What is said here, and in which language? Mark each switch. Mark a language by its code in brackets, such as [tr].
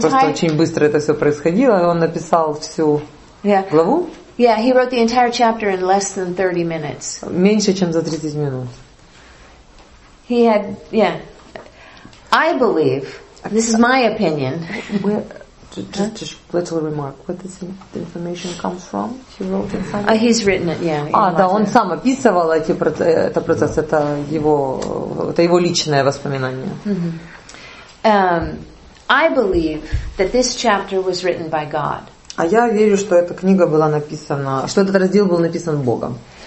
[ru] Просто очень быстро это все происходило, и он написал всю главу. [en] Yeah, he wrote the entire chapter in less than 30 minutes. [ru] Меньше чем за 30 минут. [en] He had, I believe. This is my opinion. Just a little remark. Where does the information come from? He wrote it. He's written it. Yeah. [ru] Да, он сам описывал этот процесс. Это его личное воспоминание. [en] I believe that this chapter was written by God. [ru] А я верю, что эта книга была написана, что этот раздел был написан Богом.